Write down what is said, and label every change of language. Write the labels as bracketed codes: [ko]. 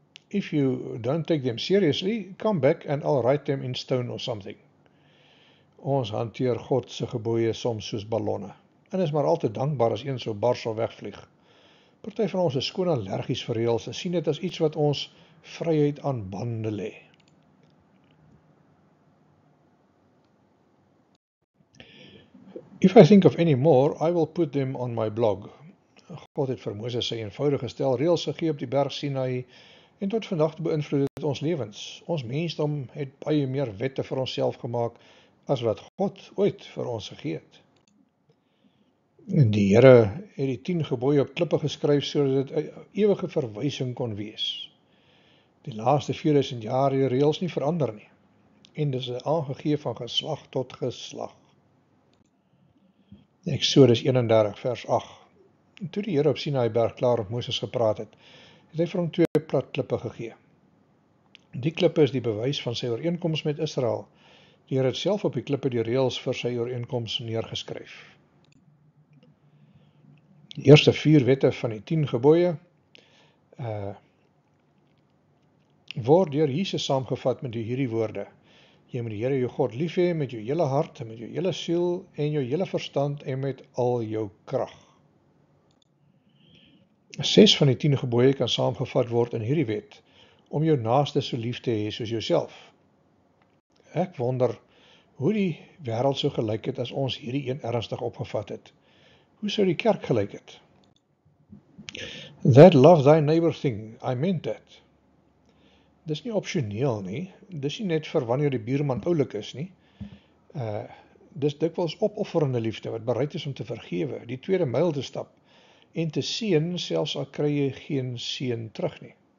[en] If you don't take them seriously, come back and I'll write them in stone or something. [af] Ons hanteer God se gebooie soms soos ballonne. En is maar al te dankbaar as een so bars sal wegvlieg. Party van ons is skoon allergies vir reëls en sien dit as iets wat ons vryheid aan bande lê. [en] If I think of any more, I will put them on my blog. [af] God het vir Moses sy eenvoudige stel reëls gegee op die berg Sinai en tot vandag toe beïnvloed dit ons lewens. Ons mensdom het baie meer wette vir onsself gemaak as wat God ooit vir ons gegee het. En die Here het die 10 gebooie op klippe geskryf sodat dit 'n ewige verwysing kon wees. Die laaste 4000 jaar het die reëls nie verander nie. En dis aangegee van geslag tot geslag. Eksodus 31 vers 8. En toe die Here op Sinaï berg klaar met Moses gepraat het, het hy vir hom 2 plat klippe gegee. Die klippe is die bewys van sy ooreenkoms met Israel. Die Here het self op die klippe die reëls vir sy ooreenkoms neergeskryf. Die eerste 4 wette van die 10 gebooie word deur Jesus saamgevat met hierdie woorde: Jy moet die Here jou God lief hê met jou hele hart, met jou hele siel en jou hele verstand en met al jou krag. 6 van die 10 gebooie kan saamgevat word in hierdie wet, om jou naaste so lief te hê soos jouself. Ek wonder hoe die wêreld sou gelyk het as ons hierdie een ernstig opgevat het. Hoe sou die kerk gelyk het? [en] That love thy neighbor thing, I meant that. [af] Dis nie optioneel nie, dis nie net vir wanneer die buurman oulik is nie. Dis dikwels opofferende liefde wat bereid is om te vergewe, die tweede myl te stap en te seën selfs al kry jy geen seën terug nie.